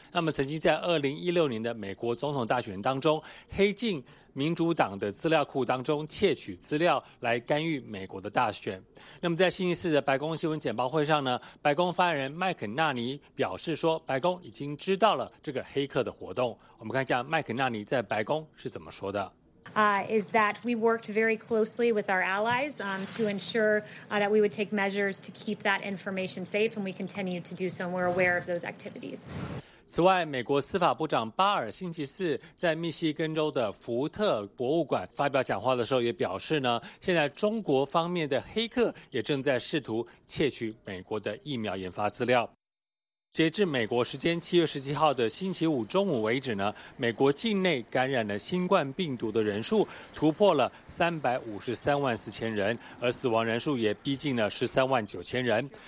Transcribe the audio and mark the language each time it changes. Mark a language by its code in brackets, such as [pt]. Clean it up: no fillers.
[zh] 那么曾经在2016年的美国总统大选当中，黑进民主党的资料库当中窃取资料来干预美国的大选。那么在星期四的白宫新闻简报会上呢，白宫发言人麦肯纳尼表示说，白宫已经知道了这个黑客的活动。我们看一下麦肯纳尼在白宫是怎么说的。 [en] Is that we worked very closely with our allies to ensure that we would take measures to keep that information safe, and we continue to do so, and we're aware of those activities. [zh] 此外，美国司法部长巴尔星期四在密西根州的福特博物馆发表讲话的时候也表示呢，现在中国方面的黑客也正在试图窃取美国的疫苗研发资料。截至美国时间7月17号的星期五中午为止呢，美国境内感染了新冠病毒的人数突破了353万4千人，而死亡人数也逼近了13万9千人。